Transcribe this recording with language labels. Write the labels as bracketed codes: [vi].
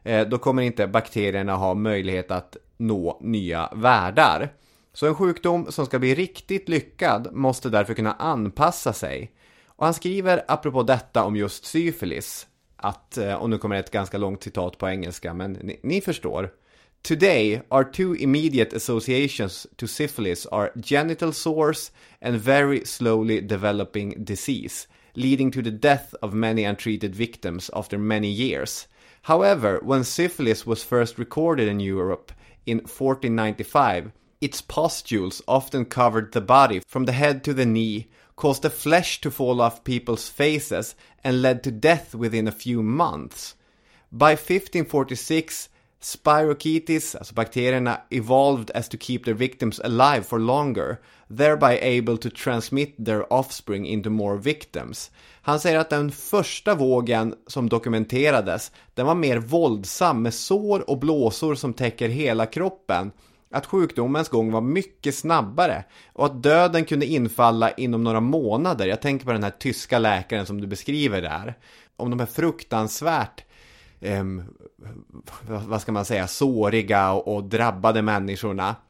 [sv] Då kommer inte bakterierna ha möjlighet att nå nya världar. Så en sjukdom som ska bli riktigt lyckad måste därför kunna anpassa sig. Och han skriver apropå detta om just syfilis att, och nu kommer ett ganska långt citat på engelska, men ni förstår. [en] Today, our two immediate associations to syphilis are genital sores and very slowly developing disease, leading to the death of many untreated victims after many years. However, when syphilis was first recorded in Europe in 1495, its pustules often covered the body from the head to the knee, caused the flesh to fall off people's faces, and led to death within a few months. By 1546, spirochetes, [sv] alltså bakterierna, [en] evolved as to keep their victims alive for longer, thereby able to transmit their offspring into more victims. [sv] Han säger att den första vågen som dokumenterades, den var mer våldsam med sår och blåsor som täcker hela kroppen, att sjukdomens gång var mycket snabbare och att döden kunde infalla inom några månader. Jag tänker på den här tyska läkaren som du beskriver där. Om de är fruktansvärt vad ska man säga, såriga och drabbade människorna.